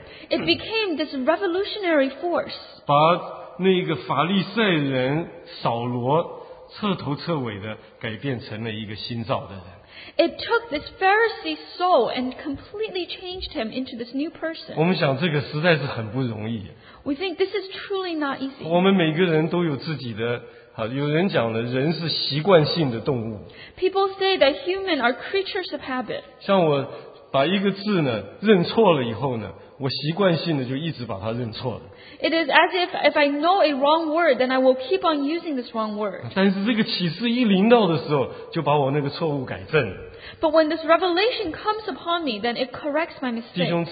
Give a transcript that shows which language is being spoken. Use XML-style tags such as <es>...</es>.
<en>it became this revolutionary force.</en> <zh>把那个法利赛人扫罗彻头彻尾的改变成了一个新造的人。</zh> <en>It took this Pharisee soul and completely changed him into this new person.</en> <zh>我们想这个实在是很不容易。</zh> <en>We think this is truly not easy.</en> <zh>我们每个人都有自己的，有人讲的人是习惯性的动物。</zh> <en>People say that humans are creatures of habit.</en> <zh>像我把一个字呢认错了以后呢。我习惯性的就一直把它认错了。It</zh> <en>is as if I know a wrong word, then I will keep on using this wrong word.</en> <zh>但是这个启示一临到的时候，就把我那个错误改正。But</zh> <en>when this revelation comes upon me, then it corrects my mistake.</en>